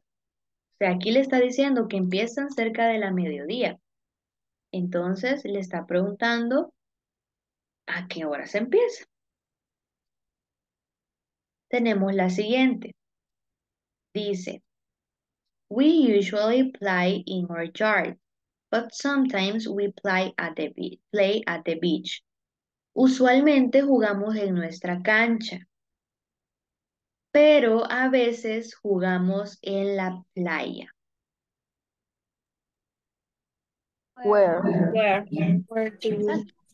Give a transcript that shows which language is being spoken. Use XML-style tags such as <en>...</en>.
<es>O sea, aquí le está diciendo que empiezan cerca de la mediodía. Entonces, le está preguntando a qué horas empieza. Tenemos la siguiente. Dice,</es> <en>We usually play in our yard, but sometimes we play at the beach.</en> <es>Usualmente jugamos en nuestra cancha, pero a veces jugamos en la playa. Exacto.</es>